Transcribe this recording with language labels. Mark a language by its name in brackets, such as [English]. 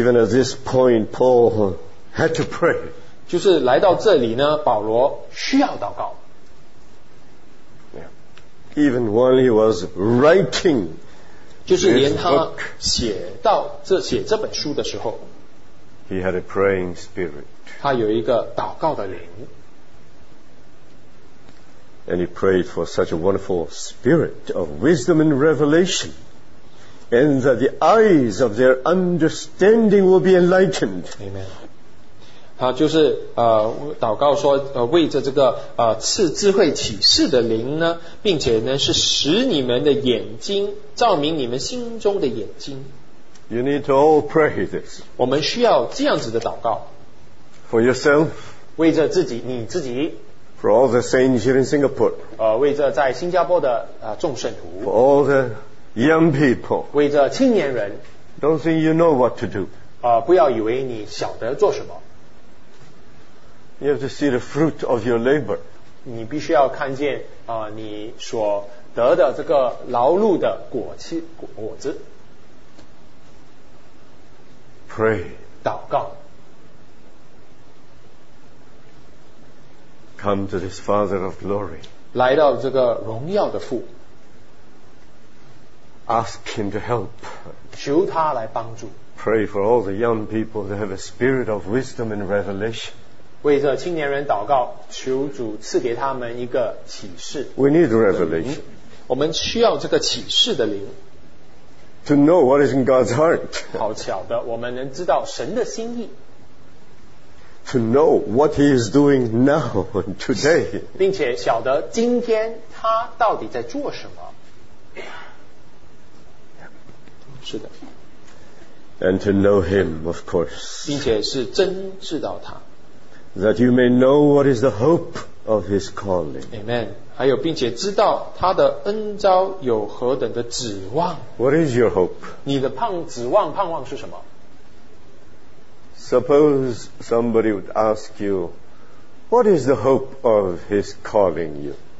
[English] Even at this point, Paul had to pray. [Chinese] 就是来到这里呢，保罗需要祷告。 [English] Even while he was writing, [Chinese] 就是连他写到这写这本书的时候， [English] he had a praying spirit. [Chinese] 他有一个祷告的灵， [English] and he prayed for such a wonderful spirit of wisdom and revelation, and that the eyes of their understanding will be enlightened. Amen. [Chinese] 他就是祷告说为着这个赐智慧启示的灵呢，并且呢是使你们的眼睛照明你们心中的眼睛。 [English] You need to all pray this. [Chinese] 我们需要这样子的祷告。 [English] For yourself. [Chinese] 为着自己，你自己。 [English] For all the saints here in Singapore. [Chinese] 为着在新加坡的众圣徒。 [English] For all the young people. [Chinese] 为着青年人。 [English] Don't think you know what to do. [Chinese] 不要以为你晓得做什么。 [English] You have to see the fruit of your labor. [Chinese] 你必须要看见你所得的这个劳碌的果子。 [English] Pray. [Chinese] 祷告。 [English] Come to this Father of glory. [Chinese] 来到这个荣耀的父。 [English] Ask him to help. [Chinese] 求他来帮助。 [English] Pray for all the young people that have a spirit of wisdom and revelation. [Chinese] 为这青年人祷告，求主赐给他们一个启示。 [English] We need revelation. [Chinese] 我们需要这个启示的灵。 [English] To know what is in God's heart. [Chinese] 好巧的，我们能知道神的心意。 [English] To know what he is doing now, today. [Chinese] 并且晓得今天他到底在做什么。是的。 [English] And to know him, of course. [Chinese] 并且是真知道他。 [English] That you may know what is the hope of his calling. Amen. [Chinese] 还有并且知道他的恩召有何等的指望。 [English] What is your hope? [Chinese] 你的盼望是什么？ [English] Suppose somebody would ask you, what is the hope of his calling you?